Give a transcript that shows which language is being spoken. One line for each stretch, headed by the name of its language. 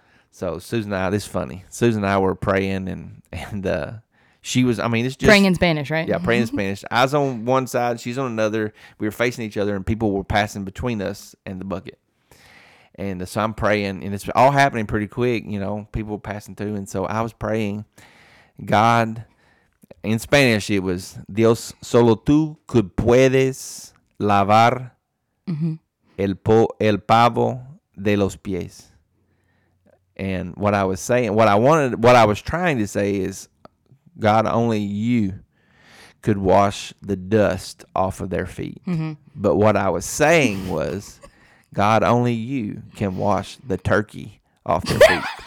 English: So Susan and I, this is funny. Susan and I were praying and she was, I mean, it's just. Praying in Spanish, right? Yeah, praying in Spanish. Eyes on one side, she's on another. We were facing each other and people were passing between us and the bucket. And so I'm praying and it's all happening pretty quick, you know, people passing through. And so I was praying, God. In Spanish, it was,
Spanish: Dios, solo tú que puedes lavar el pavo de los pies.
English: And what I was saying, what I wanted, what I was trying to say is, God, only you. could wash the dust off of their feet. Mm-hmm. But what I was saying was, God, only you can wash the turkey off their feet.